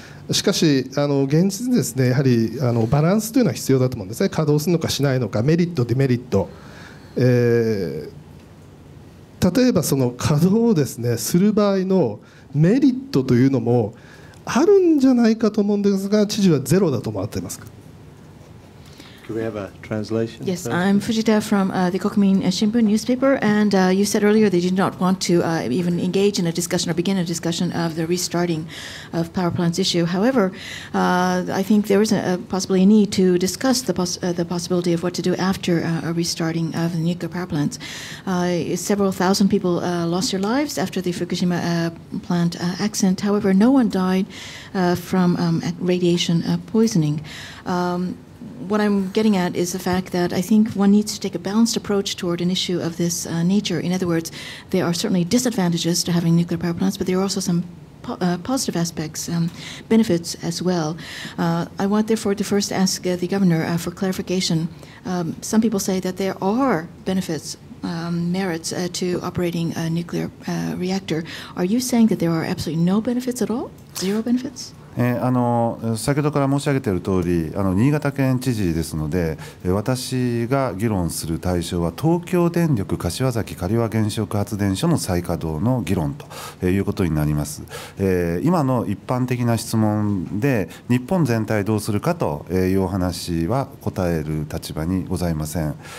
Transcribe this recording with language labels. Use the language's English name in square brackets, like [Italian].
[Japanese] しかし現実ですね、やはりバランスというのは必要だと思うんですね。稼働するのかしないのか、メリットデメリット、例えばその稼働をですねする場合のメリットというのもあるんじゃないかと思うんですが、知事はゼロだと思ってますか。 [English] Do we have a translation? Yes, I'm Fujita from the Kokumin Shimbun newspaper, and you said earlier that you did not want to even engage in a discussion or begin a discussion of the restarting of power plants issue. However, I think there is possibly a need to discuss the possibility of what to do after a restarting of the nuclear power plants. Several thousand people lost their lives after the Fukushima plant accident. However, no one died from radiation poisoning. What I'm getting at is the fact that I think one needs to take a balanced approach toward an issue of this nature. In other words, there are certainly disadvantages to having nuclear power plants, but there are also some positive aspects, benefits as well. I want, therefore, to first ask the governor for clarification. Some people say that there are benefits, merits to operating a nuclear reactor. Are you saying that there are absolutely no benefits at all? Zero benefits? [Japanese] 先ほどから申し上げている通り、新潟県知事ですので、私が議論する対象は東京電力柏崎刈羽原子力発電所の再稼働の議論ということになります。今の一般的な質問で日本全体どうするかというお話は答える立場にございません。